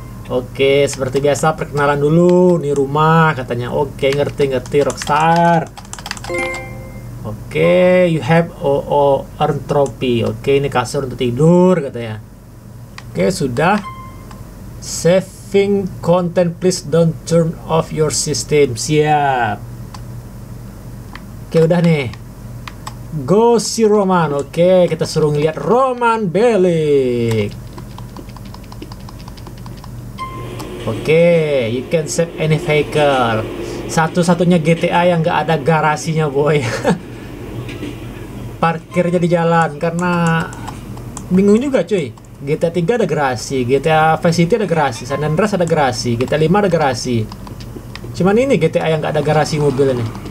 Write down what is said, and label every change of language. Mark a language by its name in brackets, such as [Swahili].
[Indonesian] Oke, seperti biasa perkenalan dulu, ini rumah katanya. Oke, ngerti Rockstar. [English] Oke, you have earn trophy. [Indonesian] Oke, ini kasur untuk tidur katanya. Oke, sudah. [English] Saving content, please don't turn off your system. [Indonesian] Siap. Oke, udah nih. [English] Go see Roman. [Indonesian] Oke, kita suruh ngeliat Roman Belik. [English] Oke, okay, you can save any vehicle. [Indonesian] Satu-satunya GTA yang gak ada garasinya, boy. Parkirnya di jalan, karena bingung juga, cuy. GTA 3 ada garasi, GTA Vice City ada garasi, San Andreas ada garasi, GTA 5 ada garasi. Cuman ini GTA yang gak ada garasi mobil ini.